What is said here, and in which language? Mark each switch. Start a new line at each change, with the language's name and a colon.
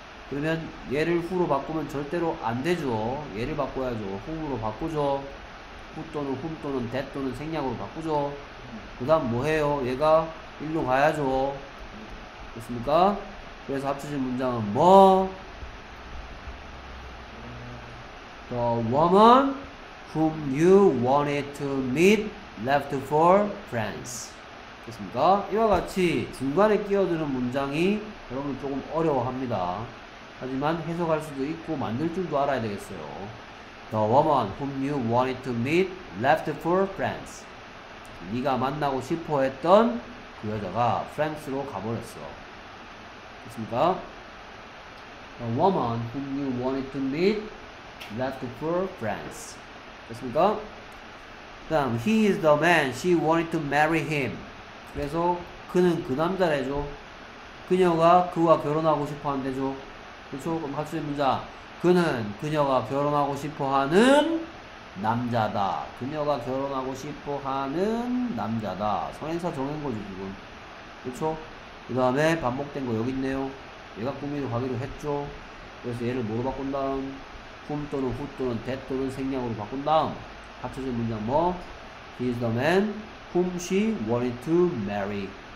Korean: 그러면 얘를 who로 바꾸면 절대로 안 되죠. 얘를 바꿔야죠. who로 바꾸죠. who 또는 whom 또는 that 또는 생략으로 바꾸죠. 그 다음 뭐 해요? 얘가 일로 가야죠. 됐습니까? 그래서 합쳐진 문장은 뭐?
English: The woman whom you wanted to meet left for France.
Korean: 됐습니까? 이와 같이 중간에 끼어드는 문장이 여러분 조금 어려워합니다. 하지만 해석할 수도 있고 만들 줄도 알아야 되겠어요.
English: The woman whom you wanted to meet left for France.
Korean: 네가 만나고 싶어 했던 그 여자가 프랑스로 가버렸어. 됐습니까?
English: The woman whom you wanted to meet left for France.
Korean: 됐습니까? 다음,
English: he is the man she wanted to marry him.
Korean: 그래서 그는 그 남자래죠. 그녀가 그와 결혼하고 싶어 한대죠. 그렇죠? 그럼 합치는 문장. 그는 그녀가 결혼하고 싶어 하는 남자다. 그녀가 결혼하고 싶어 하는 남자다. 선행사 정한 거죠, 지금. 그렇죠? 그 다음에 반복된 거 여기 있네요. 얘가 꾸미로 가기로 했죠. 그래서 얘를 뭐로 바꾼 다음? whom 또는 who 또는 that 또는 생략으로 바꾼 다음. 합쳐진 문장 뭐?
English: He is the man whom she wanted to marry.